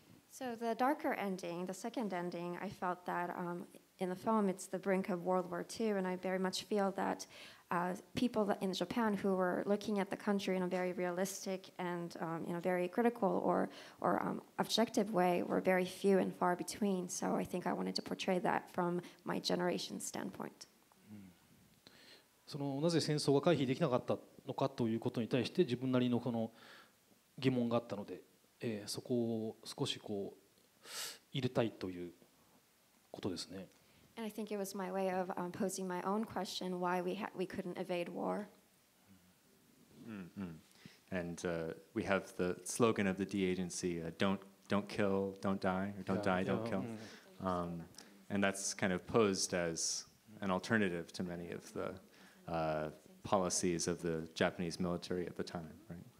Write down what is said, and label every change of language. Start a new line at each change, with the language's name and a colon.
English: So the darker ending, the second ending, I felt that in the film it's the brink of World War II, and I very much feel that people in Japan who were looking at the country in a very realistic and in a very critical or objective way were very few and far between. So I think I wanted to portray that from my generation's standpoint.
Japanese: そのなぜ戦争が回避できなかったのかということに対して自分なりのこの疑問があったので。そこを少しこう入れたいということですね。
English: And I think it was my way of posing my own question why we couldn't evade war. Mm-hmm. And we have the slogan of the de-agency, don't kill, don't die, or don't die, don't kill. And that's kind of posed as an alternative to many of the policies of the Japanese military at the time, right?